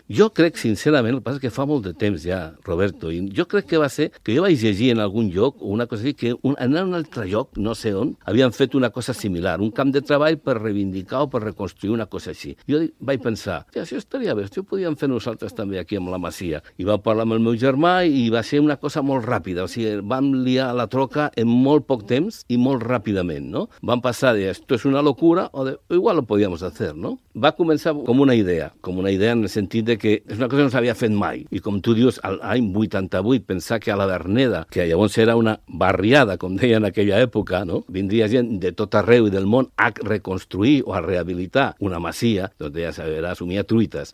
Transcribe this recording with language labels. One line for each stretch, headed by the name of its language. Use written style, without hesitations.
Catalan: Jo crec, sincerament, el que passa és que fa molt de temps ja, Roberto, i jo crec que va ser que jo vaig llegir en algun lloc o una cosa així, que en un altre lloc, no sé on, havien fet una cosa similar, un camp de treball per reivindicar o per reconstruir una cosa així. Jo vaig pensar, ja, això estaria bé, això ho podíem fer nosaltres també aquí amb la masia. I vaig parlar amb el meu germà i va ser una cosa molt ràpida, o sigui, vam liar la troca en molt poc temps i molt ràpidament, no? Vam passar de,
Spanish: esto es una locura, o de, igual lo podíamos hacer, no?
Catalan: Va començar com una idea en el sentit de que és una cosa que no s'havia fet mai. I com tu dius, l'any 88, pensar que a la Verneda, que llavors era una barriada, com deia en aquella època, no? Vindria gent de tot arreu i del món a reconstruir o a rehabilitar una masia, doncs deia, s'havia assumit truites.